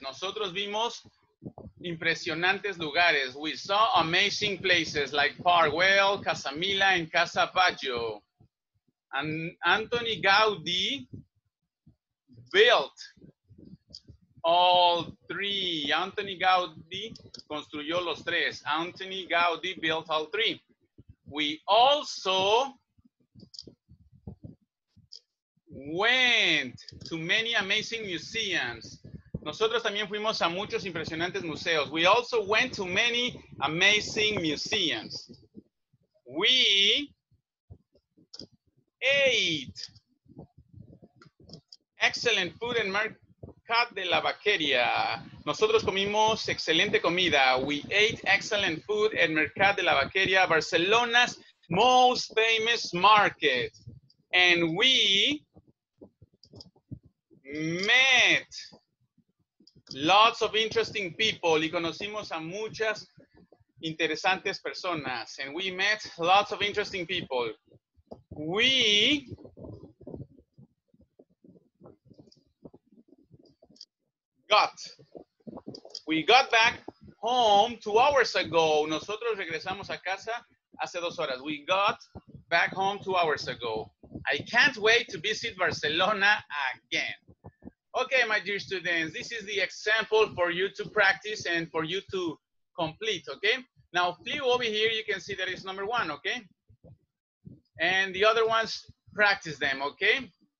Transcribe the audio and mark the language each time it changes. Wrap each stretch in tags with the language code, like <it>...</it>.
<es>Nosotros vimos impresionantes lugares.</es> <en>We saw amazing places like Parkwell, Casamila, and Casa Baggio. And Anthony Gaudi built all three.</en> <es>Anthony Gaudi construyó los tres.</es> <en>Anthony Gaudi built all three. We also went to many amazing museums.</en> <es>Nosotros también fuimos a muchos impresionantes museos.</es> <en>We also went to many amazing museums. We ate excellent food and Mercat de la Vaqueria.</en> <es>Nosotros comimos excelente comida.</es> <en>We ate excellent food at Mercat de la Vaqueria, Barcelona's most famous market. And we met lots of interesting people.</en> <es>Y conocimos a muchas interesantes personas.</es> <en>And we met lots of interesting people. We got. We got back home 2 hours ago. Nosotros regresamos a casa hace 2 horas. We got back home 2 hours ago. I can't wait to visit Barcelona again. Okay, my dear students, this is the example for you to practice and for you to complete, okay? Now, flew over here, you can see that it's number one, okay? And the other ones, practice them, okay?</en>